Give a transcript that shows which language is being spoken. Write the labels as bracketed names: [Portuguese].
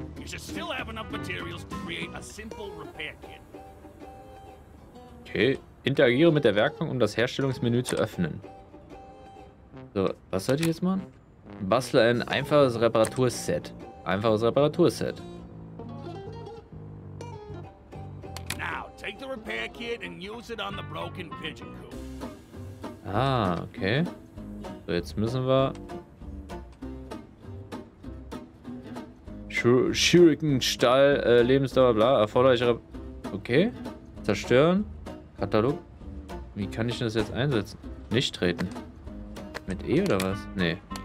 [English] You should still have enough materials to create a simple repair kit. [German] Okay, interagiere mit der Werkbank, um das Herstellungsmenü zu öffnen. So, was sollte ich jetzt machen? Bastle ein einfaches Reparaturset. Einfaches Reparaturset. [English] Now, take the repair kit and use it on the broken pigeon coop. Ah, okay. [German] So, jetzt müssen wir Schurkenstall, Lebensdauer, bla, erforderliche. Okay. Zerstören. Katalog. Wie kann ich das jetzt einsetzen? Nicht treten. Mit E oder was? Nee.